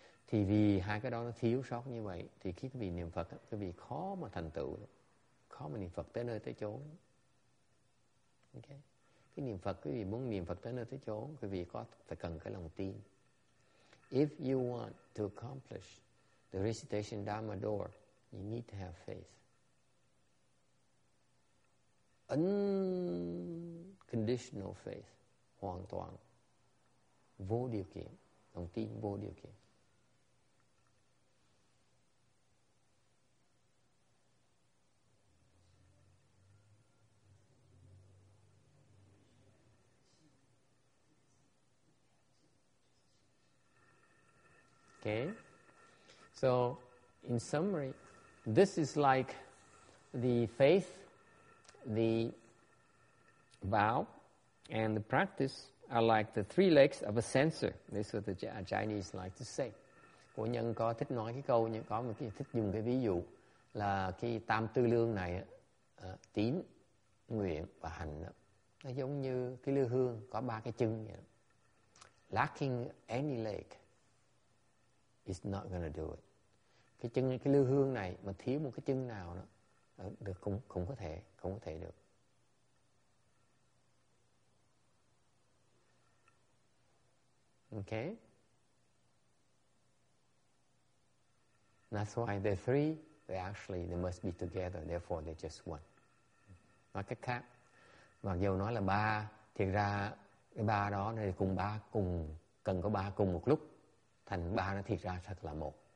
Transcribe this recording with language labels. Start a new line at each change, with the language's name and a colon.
Vietnamese: Thì vì hai cái đó nó thiếu sót như vậy, thì khi quý vị niệm Phật, quý vị khó mà thành tựu, khó mà niệm Phật tới nơi tới chốn. Okay. Cái niệm Phật, quý vị muốn niệm Phật tới nơi tới chốn, quý vị có phải cần cái lòng tin.
English: If you want to accomplish the recitation Dharma door, you need to have faith. Unconditional faith,
Vietnamese: hoàn toàn, vô điều kiện, lòng tin vô điều kiện.
English: Okay, so in summary, this is like the faith, the vow, and the practice are like the three legs of a censer. This is what the Chinese like to say.
Vietnamese: Cổ nhân có thích nói cái câu, nhưng có một cái thích dùng cái ví dụ là cái tam tư lương này, tín, nguyện và hành, nó giống như cái lư hương có ba cái chân vậy.
English: Lacking any leg. It's not gonna do it.
Vietnamese: Cái chân, cái lưu hương này mà thiếu một cái chân nào đó, được không có thể được. Okay.
English: That's why the three, they actually they must be together. Therefore, they're just one.
Vietnamese: Nói cách khác, mặc dù nói là ba, thiệt ra cái ba đó thì cùng ba cùng cần có ba cùng một lúc. Thành ba nó thiệt ra thật là một.